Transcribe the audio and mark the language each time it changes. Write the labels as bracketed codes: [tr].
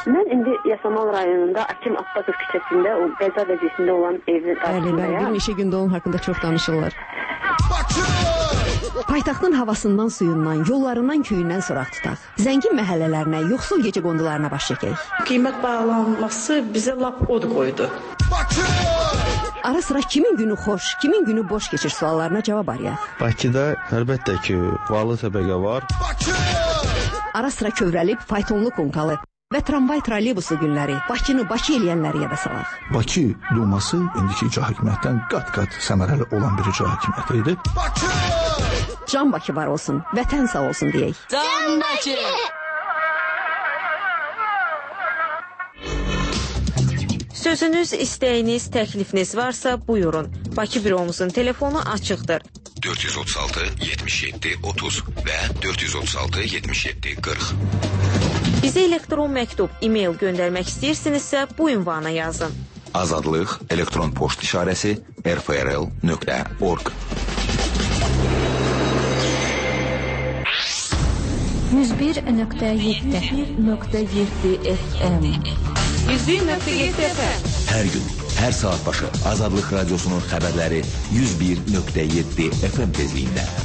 [az] Mən indi Yasamal rayonunda Akim Abbasov küçəsində, o qəza vəziyyətində olan evin qarşısındayım. Bəli, bir neçə gündə onun haqqında çox danışırlar. Paytaxtın havasından, suyundan, yollarından, köyündən soraq tutaq. Zəngin məhəllələrinə, yoxsul gecə qondularına baş çəkək. Qiymət bağlanması bizə lap od qoydu. Bakı! Ara sıra kimin günü xoş, kimin günü boş keçir suallarına cavab arayaq. Bakıda əlbəttə ki, varlı təbəqə var. Bakı! Ara sıra kövrəlib, faytonlu konkalı və tramvay trolleybusu günləri Bakını Bakı eləyənləri yada salaq. Bakı Duması indiki icra hakimiyyətdən qat-qat səmərəli olan bir icra hakimiyyəti idi. Bakı! Can Bakı var olsun, vətən sağ olsun deyək. Can Bakı! Sözünüz, istəyiniz, təklifiniz varsa buyurun. Bakı büromuzun telefonu açıqdır. 436-77-30 və 436-77-40 Bizə elektron məktub, e-mail göndərmək istəyirsinizsə bu ünvana yazın. Azadlıq, elektron poçt işarəsi, rfrl.org [tr] Her gün, her saat başı Azadlık Radyosu'nun haberleri 101.7 FM tezliğinde.